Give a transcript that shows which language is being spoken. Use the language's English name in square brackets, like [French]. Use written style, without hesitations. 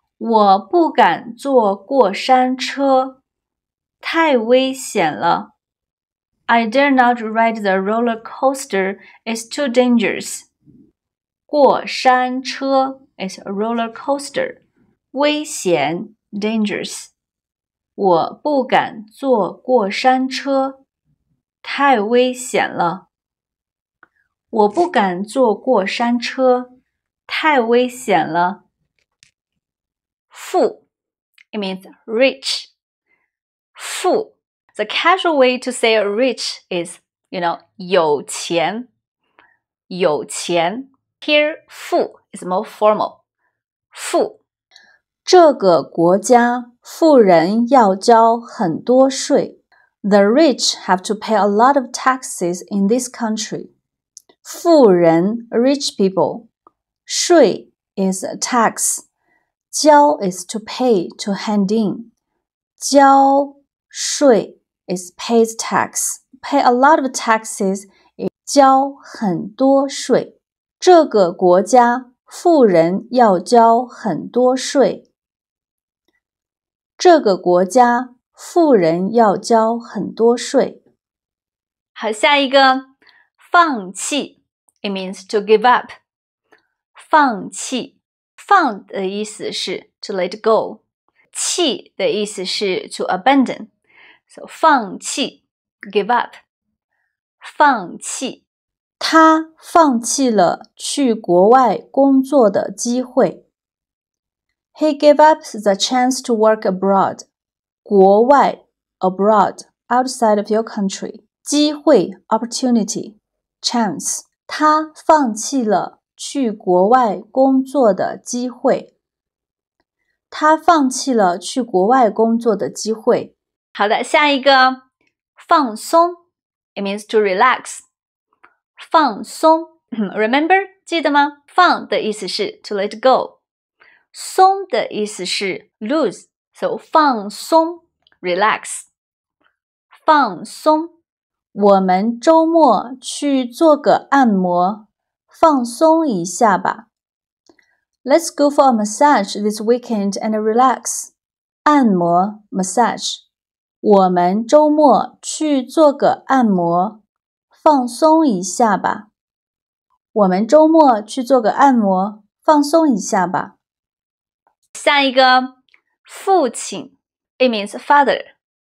[Chinese] 我不敢坐过山车，太危险了。 [English] I dare not ride the roller coaster, it's too dangerous. 过山车。It's a roller coaster. 危险 dangerous. [Chinese] 我不敢坐过山车。太危险了。我不敢坐过山车，太危险了。 [English] 富 ，it means rich. 富 ，the casual way to say rich is, you know, [Chinese] 有钱。有钱。 [English] Here, 富 is more formal. 富， [Chinese] 这个国家富人要交很多税。 [English] The rich have to pay a lot of taxes in this country. 富人 rich people. 税 is a tax. 交 is to pay, to hand in. 交税 is pays tax. Pay a lot of taxes is 交很多税。 [Chinese] 这个国家富人要交很多税。这个国家富人要交很多税。好，下一个， [English] 放弃 ，it means to give up。 [Chinese] 放弃，放的意思是 [English] to let go， [Chinese] 弃的意思是 [English] to abandon。 So 放弃 ，give up， 放弃。 [Chinese] 他放弃了去国外工作的机会。 [English] He gave up the chance to work abroad. 国外 abroad, outside of your country. 机会 opportunity, chance. [Chinese] 他放弃了去国外工作的机会。他放弃了去国外工作的机会。好的，下一个，放松。 [English] It means to relax. [Chinese] 放松。 [English] Remember, [Chinese] 记得吗？放的意思是 [English] to let go. [Chinese] 松的意思是 [English] lose, so [Chinese] 放松 relax, 放松。我们周末去做个按摩，放松一下吧。 [English] Let's go for a massage this weekend and relax. 按摩 massage. [Chinese] 我们周末去做个按摩，放松一下吧。我们周末去做个按摩，放松一下吧。下一个， [English] 父亲 ，it means father.